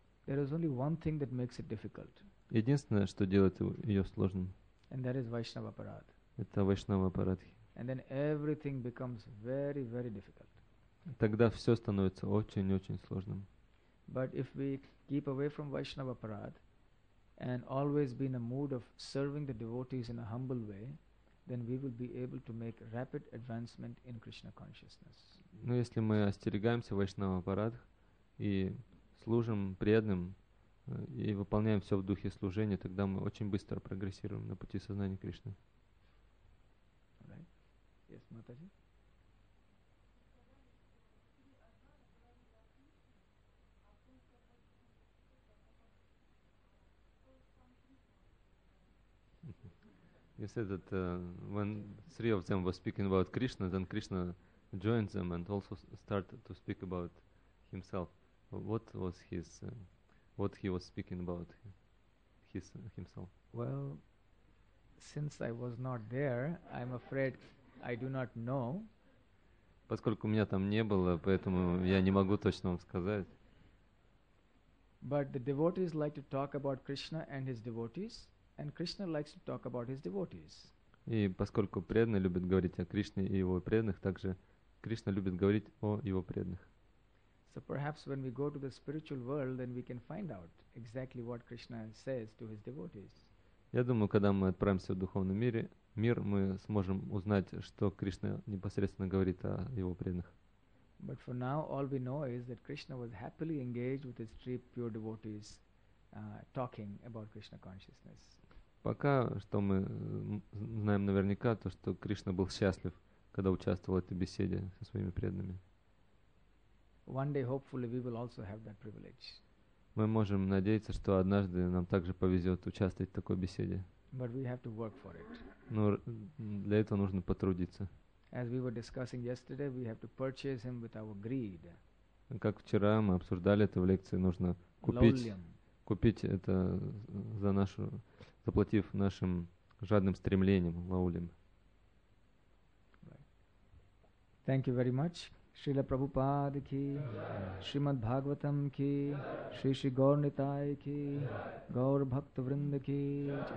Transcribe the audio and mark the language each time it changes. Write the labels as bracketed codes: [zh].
[en] There is only one thing that makes it difficult. [ru] Единственное, что делает ее сложным. [en] And that is Vaishnava Parad. [ru] Это Вайшнава Парадхи. [en] And then everything becomes very, very difficult. [ru] Тогда все становится очень-очень сложным. [en] But if we keep away from Vaishnava Parad and always be in a mood of serving the devotees in a humble way, then we will be able to make rapid advancement in Krishna consciousness. [ru] Но если мы остерегаемся вайшнава парадх и служим преданным и выполняем все в духе служения, тогда мы очень быстро прогрессируем на пути сознания Кришны. [en] You said that when three of them were speaking about Krishna, then Krishna joined them and also started to speak about himself. What was his, what he was speaking about his, himself? Well, since I was not there, I'm afraid I do not know. [ru] Поскольку меня там не было, поэтому я не могу точно вам сказать. [en] But the devotees like to talk about Krishna and his devotees. And Krishna likes to talk about his devotees. [ru] И поскольку преданный любит говорить о Кришне и его преданных, также Кришна любит говорить о его преданных. [en] So perhaps when we go to the spiritual world, then we can find out exactly what Krishna says to his devotees. [ru] Я думаю, когда мы отправимся в духовный мир, мы сможем узнать, что Кришна непосредственно говорит о его преданных. [en] But for now, all we know is that Krishna was happily engaged with his three pure devotees. Talking about Krishna consciousness. [ru] Пока что мы знаем наверняка то, что Кришна был счастлив, когда участвовал в этой беседе со своими преданными. [en] One day, hopefully, we will also have that privilege. [ru] Мы можем надеяться, что однажды нам также повезет участвовать в такой беседе. [en] But we have to work for it. [ru] Но для этого нужно потрудиться. [en] As we were discussing yesterday, we have to purchase him with our greed. [ru] Как вчера мы обсуждали это в лекции, нужно купить это за нашу, заплатив нашим жадным стремлением, лаулим. [en] Thank you very much. [sa] Шрила Прабхупада ки, Шримад Бхагаватам ки, Шри Шри Гаур Нитай ки, Гаур Бхакта Вринда ки,